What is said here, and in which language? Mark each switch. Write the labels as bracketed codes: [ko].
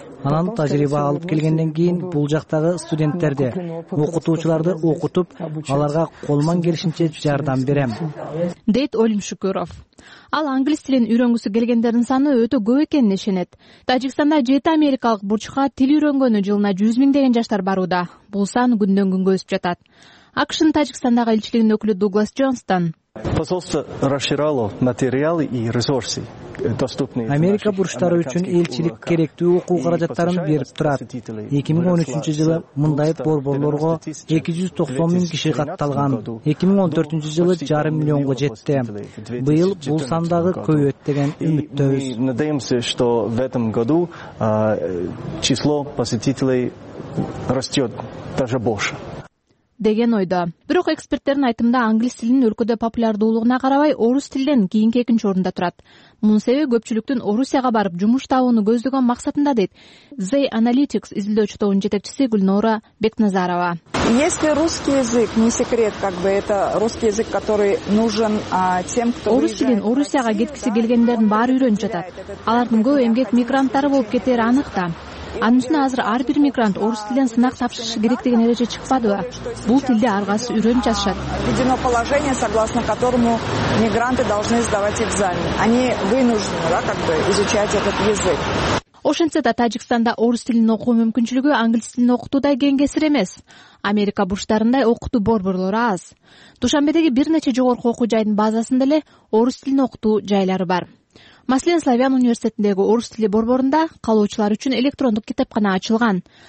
[ky] Анан тажрыйба алып келгенден кийин бул жактагы студенттерди, окутуучуларды окутуп, аларга колуман келишинче жардам берем. Дейт Олим Шүкүров. Ал англис тилин үйрөнгүсү келгендердин саны өтө көп экенин ишенет. Тажикстанда 7 америкалык бурчка тил үйрөнгөнү жылына 100,000 деген жаштар барууда. Бул сан күндөн күнгө өсүп жатат. АКШ Тажикстандагы элчилигинин өкүлү Дуглас Джонстон. [ru] Посольство расширяло материалы и ресурсы. [ky] Америка бурчтары үчүн элчилик керектүү окуу каражаттарын берип турат. 2013 жылы мындай борборлорго 290,000 киши катталган. 2014 жылы 500,000 жетти. Быйыл бул сандагы көбөйөт деген үмүттөбүз. [ru] Мы надеемся, что в этом году число посетителей растет даже больше. [ky] деген ойдо. Бирок эксперттердин айтымында англис тилинин өлкөдө популярдуулугуна карабай орус тилден кийинки экинчи орунда турат. Мунун себеби көпчүлүктүн Орусияга барып жумуш табууну көздөгөн максатында, дейт The Analytics изилдөөчүтөбүнүн жетекчиси Гүлнура Бекназарова. [ru] Если русский язык не секрет, как бы это русский язык, который нужен тем, кто [ky] орус тилин Орусияга кеткиси келгендердин баары үйрөнүп жатат. Алардын көбү эмгек мигранттары болуп кетери анык да. Анын үстүнө азыр ар бир мигрант орус тилден сынак тапшырышы керек деген эреже чыкпадыбы? Бул тилди ар кайсы үйрөнүп жатышат. [ru] Введено положение, согласно которому мигранты должны сдавать экзамен. Они вынуждены, да, как бы изучать этот язык. [ky] Ошентсе да Тажикстанда орус тилин окуу мүмкүнчүлүгү англис тилин окутууда кең кесир эмес. Америка бурчтарындай окутуу борборлору аз. Душанбедеги бир нече жогорку окуу жайдын базасында эле орус тилин окутуу жайлары бар. Маслен Славян университетиндеги орус тили борборунда калуучулар үчүн электрондук китепкана ачылган.